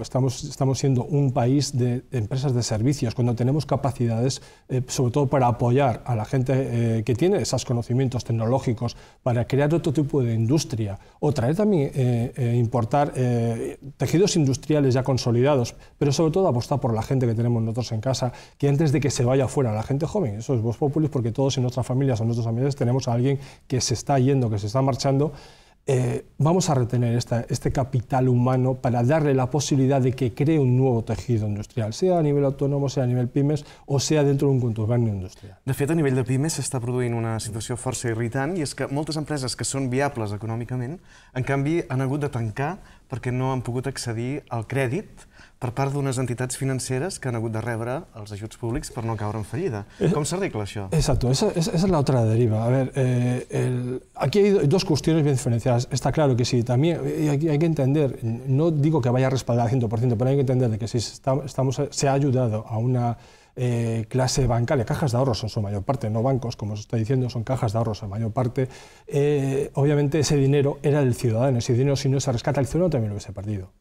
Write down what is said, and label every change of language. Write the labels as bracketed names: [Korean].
[Spanish] Estamos siendo un país de empresas de servicios, cuando tenemos capacidades, sobre todo para apoyar a la gente que tiene esos conocimientos tecnológicos, para crear otro tipo de industria, o traer también, importar tejidos industriales ya consolidados, pero sobre todo apostar por la gente que tenemos nosotros en casa, que antes de que se vaya fuera la gente joven, eso es Vox Populi, porque todos en nuestras familias o nuestros amigos tenemos a alguien que se está yendo, que se está marchando. Vamos a retener este capital humano para darle la posibilidad de que cree un nuevo tejido industrial, sea a nivel autónomo, sea a nivel pymes o sea dentro [Catalan] d'un contorn industrial. De fet, a nivell de pymes s'està produint una situació força irritant, i és que moltes empreses que són viables econòmicament, en canvi, han hagut de tancar perquè no han pogut accedir al crèdit per part d'unes entitats financeres que han hagut de rebre els ajuts públics per no caure en fallida. Com s'arregla això? [Spanish] Exacto, esa es la otra deriva. A ver, aquí hay dos cuestiones bien diferenciadas. Está claro que sí, también hay que entender, no digo que vaya a respaldar al 100%, pero hay que entender que si se ha ayudado a una clase bancaria, cajas de ahorros en su mayor parte, no bancos, como se está diciendo, son cajas de ahorros en mayor parte, obviamente ese dinero era del ciudadano, ese dinero si no se rescata, el ciudadano también lo hubiese perdido.